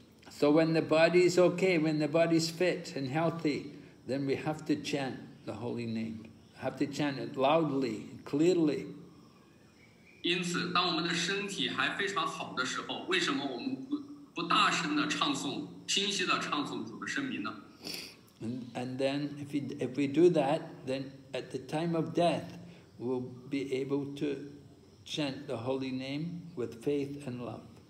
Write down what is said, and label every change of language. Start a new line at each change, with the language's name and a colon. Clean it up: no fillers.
English: So when the body is okay, when the body is fit and healthy, then we have to chant the holy name. We have to chant it loudly, clearly.
Chinese: 因此，当我们的身体还非常好的时候，为什么我们不大声的唱诵、清晰的唱诵主的圣名呢？
English: And then, if we do that, then at the time of death, we'll be able to chant the holy name with faith and love.